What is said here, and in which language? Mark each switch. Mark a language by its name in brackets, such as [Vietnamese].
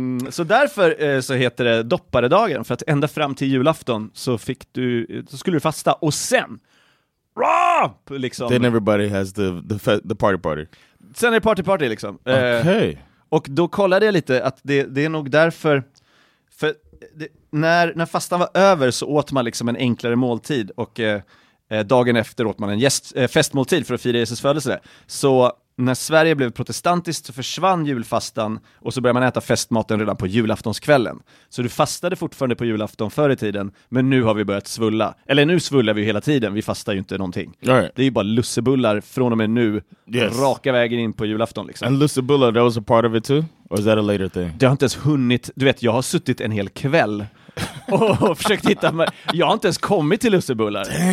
[Swedish] Så därför så heter det dopparedagen. För att ända fram till julafton så skulle du fasta. Och sen... liksom. [English] Then everybody has the party party. [Swedish] Sen är det party liksom. Okej. Och då kollade jag lite att det är nog därför, för när fastan var över så åt man liksom en enklare måltid, och dagen efter åt man en festmåltid för att fira Jesus födelse. Så när Sverige blev protestantiskt så försvann julfastan, och så började man äta festmaten redan på julaftonskvällen. Så du fastade fortfarande på julafton förr i tiden, men nu har vi börjat svulla. Eller nu svullar vi ju hela tiden, vi fastar ju inte någonting. [English] Right. [Swedish] Det är ju bara lussebullar från och med nu, raka vägen in på julafton liksom. [English] And lussebullar, that was a part of it too? Or is that a later thing? [Swedish] Det har inte ens hunnit, du vet, jag har suttit en hel kväll och försökt hitta. Jag har inte ens kommit till lussebullar.